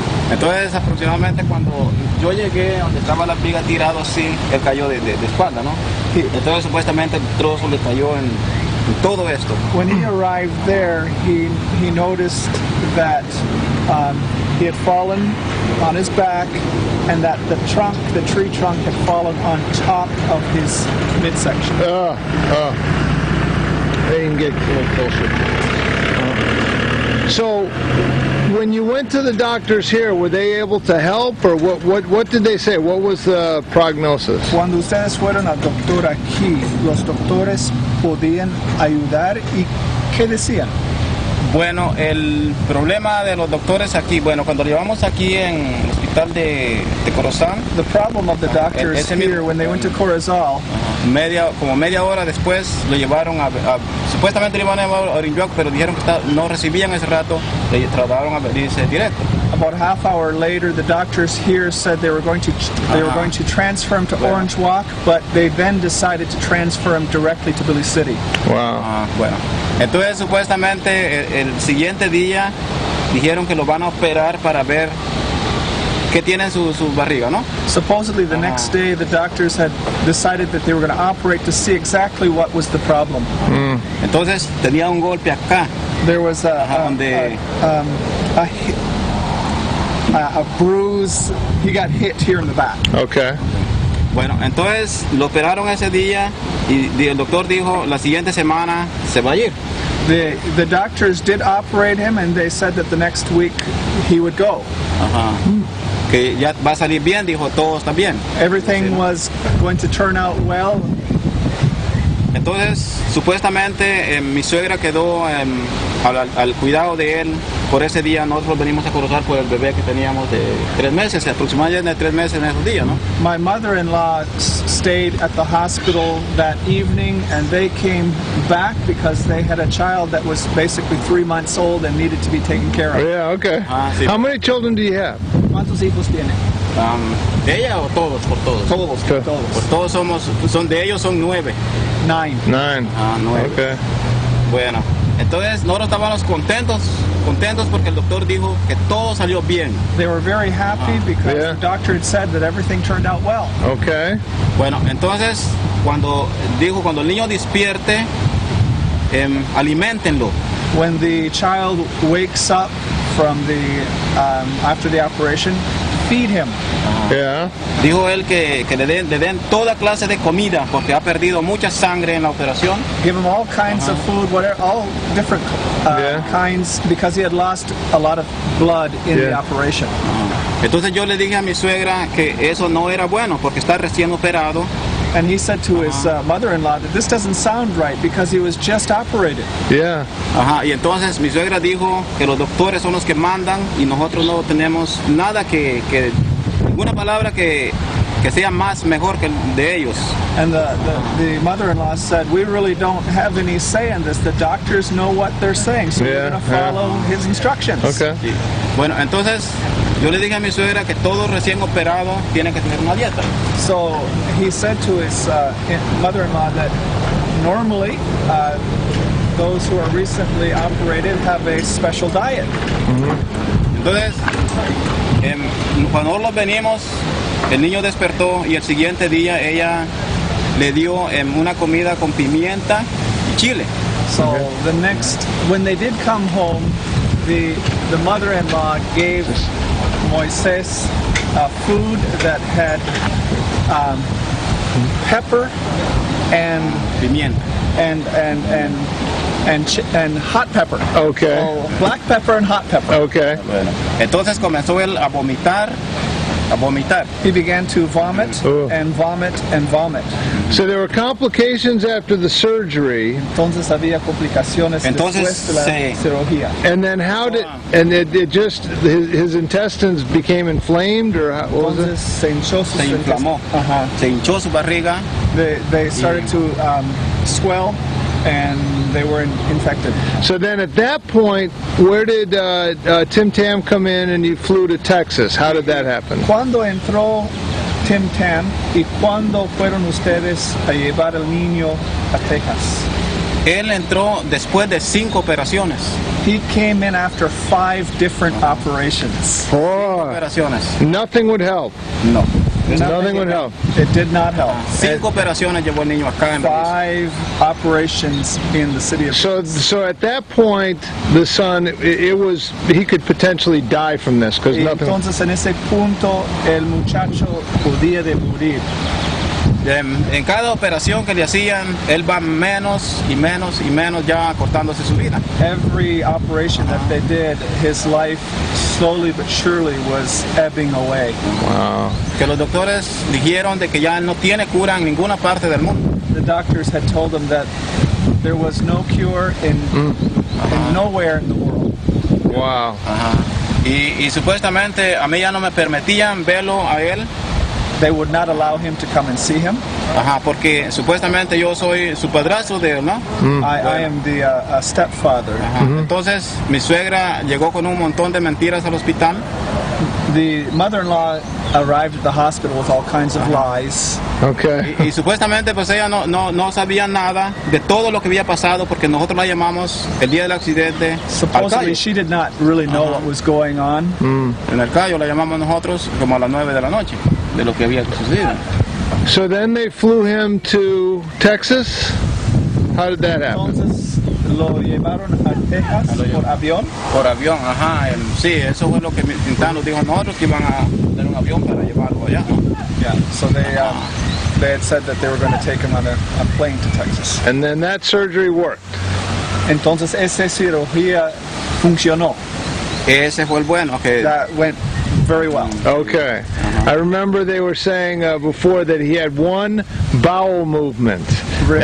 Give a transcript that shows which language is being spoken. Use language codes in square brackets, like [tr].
[es] Entonces, aproximadamente cuando yo llegué donde estaba la viga tirado así, él cayó de espalda, ¿no? Entonces, supuestamente el trozo le cayó en todo esto. [en] When he arrived there, he noticed that he had fallen on his back and that the trunk, the tree trunk, had fallen on top of his midsection. They didn't get a little closer. So, when you went to the doctors here, were they able to help, or what did they say? What was the prognosis? [es] Cuando ustedes fueron al doctor aquí, los doctores podían ayudar, ¿y qué decían? Bueno, el problema de los doctores aquí, bueno, cuando llevamos aquí en el hospital de Corozal. [en] The problem of the doctors here, when they went to Corozal. [es] Media hora después lo llevaron a supuestamente lo iban a llevar a Orinjuac, pero dijeron que no recibían ese rato, le trataron a venirse directo. [en] About half hour later, the doctors here said they were going to transfer him to Orange Walk, but they then decided to transfer him directly to Belize City. Wow. [es] Bueno. Entonces, supuestamente, el siguiente día dijeron que lo van a operar para ver qué tiene en su barriga, ¿no? [en] Supposedly, the next day, the doctors had decided that they were going to operate to see exactly what was the problem. Entonces, tenía un golpe acá. There was a... a bruise. He got hit here in the back. Okay. [es] Bueno, entonces lo operaron ese día y el doctor dijo la siguiente semana se va a ir. [en] The doctors did operate him and they said that the next week he would go. [es] Que ya va a salir bien, dijo, todo está bien. [en] Everything was going to turn out well. [es] Entonces, supuestamente, mi suegra quedó al cuidado de él. Por ese día nosotros venimos a cruzar por el bebé que teníamos de tres meses, aproximadamente tres meses en esos días, ¿no? [en] My mother-in-law stayed at the hospital that evening, and they came back because they had a child that was basically 3 months old and needed to be taken care of. Oh, yeah, okay. [es] Sí. [en] How many children do you have? [es] ¿Cuántos hijos tiene? ¿Ella o todos? Por todos. Todos, okay. Todos. Por todos somos, son de ellos son nueve. [en] Nine. Okay. [es] Bueno, entonces nosotros estábamos contentos. Contentos porque el doctor dijo que todo salió bien. [en] They were very happy because yeah. The doctor had said that everything turned out well. Okay. [es] Bueno, entonces cuando el niño despierte, aliméntenlo. [en] When the child wakes up from the after the operation, feed him. Yeah. [es] Dijo él que le den toda clase de comida porque ha perdido mucha sangre en la operación. [en] Give him all kinds of food, whatever, all different kinds, because he had lost a lot of blood in the operation. [es] Entonces yo le dije a mi suegra que eso no era bueno porque está recién operado. [en] And he said to his mother-in-law that this doesn't sound right because he was just operated. Yeah. [es] Y entonces mi suegra dijo que los doctores son los que mandan y nosotros no tenemos nada que ninguna palabra que sea más mejor que de ellos. [en] And the mother-in-law said, we really don't have any say in this. The doctors know what they're saying, so we're going to follow his instructions. Okay. [es] Bueno, entonces yo le dije a mi suegra que todo recién operado tiene que tener una dieta. [en] So he said to his mother-in-law that normally those who are recently operated have a special diet. Mm-hmm. [es] Entonces, cuando los venimos, el niño despertó y el siguiente día ella le dio una comida con pimienta y chile. [en] So the next, when they did come home, the mother-in-law gave Moises food that had pepper and [es] pimienta [en] and hot pepper. Okay. So black pepper and hot pepper. Okay. [es] Entonces comenzó él a vomitar. [en] He began to vomit and vomit. So there were complications after the surgery. [es] Entonces había complicaciones después de la cirugía. [en] And then his intestines became inflamed or what [es] entonces, [en] was it? [es] Se hinchó su se inflamó. Se hinchó su barriga. [en] They started to swell and they were infected. So then at that point, where did Tim Tam come in and you flew to Texas? How did that happen? [es] Cuando entró Tim Tam y cuando fueron ustedes a llevar el niño a Texas? Él entró después de cinco operaciones. [en] He came in after five different operations. Four [es] operaciones. [en] Nothing would help. No. Nothing would help. It did not help. [es] Cinco operaciones llevó el niño acá en [en] Belice. Five operations in the city of Belice. So at that point, the son, he could potentially die from this because nothing. [es] Entonces en ese punto el muchacho podía de morir. En cada operación que le hacían, él va menos y menos y menos ya cortándose su vida. [en] Every operation that they did, his life slowly but surely was ebbing away. Wow. [es] Que los doctores dijeron de que ya no tiene cura en ninguna parte del mundo. [en] The doctors had told him that there was no cure in nowhere in the world. Wow. [es] Y supuestamente a mí ya no me permitían verlo a él. [en] They would not allow him to come and see him. [es] Ajá, porque supuestamente yo soy su padrastro de él, ¿no? [en] I am the stepfather. [es] Ajá. Mm-hmm. Entonces, mi suegra llegó con un montón de mentiras al hospital. [en] The mother-in-law arrived at the hospital with all kinds of lies. Okay. [es] Y supuestamente pues ella no sabía nada de todo lo que había pasado porque nosotros la llamamos el día del accidente. [en] Supposedly she did not really know what was going on. Mm. [es] En el callo la llamamos nosotros como a las 9 de la noche de lo que había sucedido. [en] So then they flew him to Texas. How did that happen? [es] Entonces, lo llevaron a Texas por avión. Por avión, ajá. Sí, eso fue lo que mi tintán nos dijo a nosotros, que iban a tener un avión para llevarlo allá. [en] Yeah, so they had said that they were going to take him on a plane to Texas. And then that surgery worked. [es] Entonces esa cirugía funcionó. Ese fue el bueno que... [en] That went very well. Okay. I remember they were saying before that he had one bowel movement. Really?